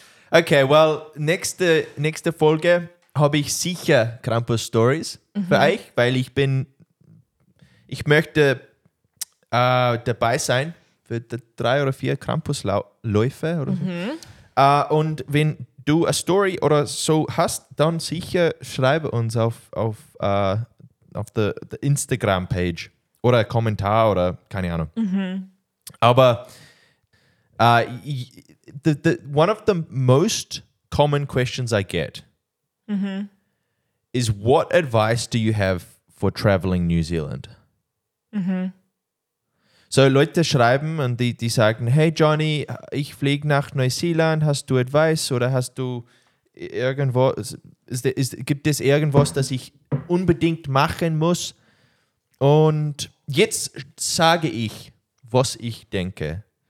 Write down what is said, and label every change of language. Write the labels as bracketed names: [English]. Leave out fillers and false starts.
[English] Okay, well, [German] nächste Folge habe ich sicher Krampus Stories für euch, weil ich möchte dabei sein für die 3 oder 4 Krampusläufe oder so. Und wenn du eine Story oder so hast, dann sicher schreibe uns auf der Instagram-Page oder einen Kommentar oder keine Ahnung. Mhm. Aber [English] one of the most common questions I get is what advice do you have for traveling New Zealand? Mhm. [German] So Leute schreiben und die sagen, hey Johnny, ich fliege nach Neuseeland, hast du Advice oder hast du irgendwo, gibt es irgendwas, das ich unbedingt machen muss? Und jetzt sage ich, was ich denke.